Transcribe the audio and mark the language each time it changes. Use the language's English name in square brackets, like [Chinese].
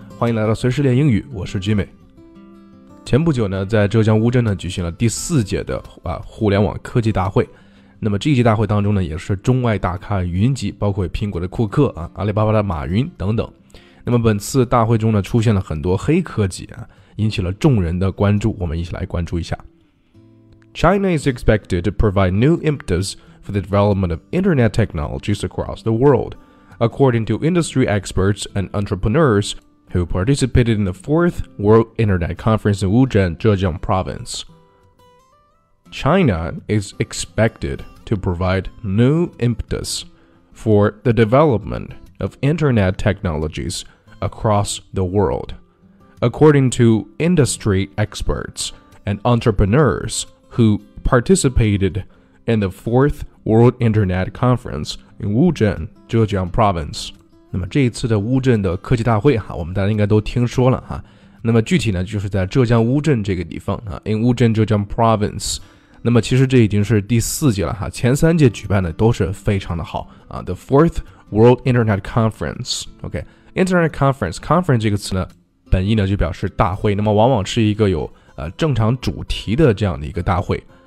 [Chinese] 欢迎来到随时练英语，我是 Jimmy。前不久呢，在浙江乌镇呢举行了第四届的互联网科技大会。那么这一届大会当中呢，也是中外大咖云集，包括苹果的库克啊、阿里巴巴的马云等等。那么本次大会中呢，出现了很多黑科技啊，引起了众人的关注。我们一起来关注一下。 [English] China is expected to provide new impetus for the development of internet technologies across the world, according to industry experts and entrepreneurs who participated in the 4th World Internet Conference in Wuzhen, Zhejiang Province. China is expected to provide new impetus for the development of internet technologies across the world, according to industry experts and entrepreneurs who participated in the 4th World Internet Conference in Wuzhen, Zhejiang Province. [Chinese] 那么这一次的乌镇的科技大会我们大家应该都听说了哈。那么具体呢，就是在浙江乌镇这个地方啊 ， [English] in Wuzhen, Zhejiang Province。 [Chinese] 那么其实这已经是第四届了哈，前三届举办的都是非常的好啊。 [English] The 4th World Internet Conference, [Chinese] OK, Internet Conference, Conference 这个词呢，本意呢就表示大会，那么往往是一个有正常主题的这样的一个大会。